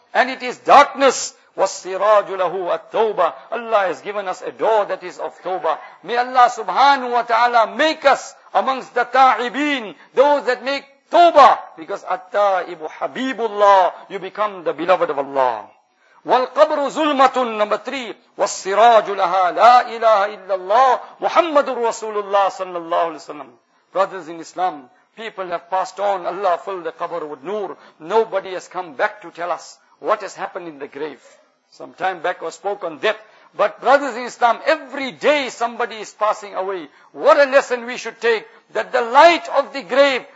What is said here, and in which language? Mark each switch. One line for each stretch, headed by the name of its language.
English: And it is darkness.
Arabic: وَالصِّرَاجُ لَهُ التَّوْبَةِ.
English: Allah has given us a door that is of tawbah. May Allah subhanahu wa ta'ala make us amongst the ta'ibin, those that make tawbah. Because
Arabic: at-ta'ibu habibullah,
English: you become the beloved of Allah.
Arabic: وَالْقَبْرُ zulmatun.
English: Number three,
Arabic: وَالصِّرَاجُ لَهَا لَا إِلَهَ إِلَّا اللَّهِ مُحَمَّدُ رَسُولُ اللَّهِ صَلَّى اللَّهُ عَلَيْهِ وَسَلَّمُ.
English: Brothers in Islam, people have passed on. Allah filled the qabr with nur. Nobody has come back to tell us what has happened in the grave. Some time back I spoke on death. But brothers in Islam, every day somebody is passing away. What a lesson we should take, that the light of the grave